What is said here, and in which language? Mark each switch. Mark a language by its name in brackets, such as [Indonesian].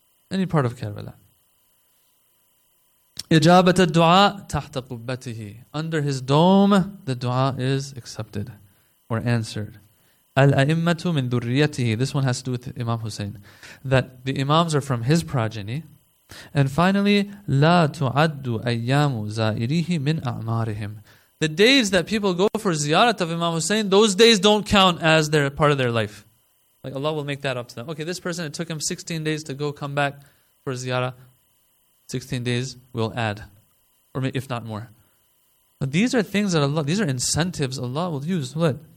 [English] Any part of Karbala. [Arabic] إِجَابَةَ الدُّعَاء تَحْتَ قُبَّتِهِ. [English] Under his dome, the dua is accepted or answered. [Arabic] الْأَئِمَّةُ مِنْ ذُرِّيَّتِهِ. [English] This one has to do with Imam Hussein. That the imams are from his progeny. And finally, [Arabic] لَا تُعَدُّ أَيَّامُ زَائِرِهِ مِنْ أَعْمَارِهِمْ. [English] The days that people go for ziyarat of Imam Hussein, those days don't count as their part of their life. Like, Allah will make that up to them. Okay, this person, it took him 16 days to go come back for ziyarah. 16 days, we'll add. Or if not more. But these are things that Allah, these are incentives Allah will use. What?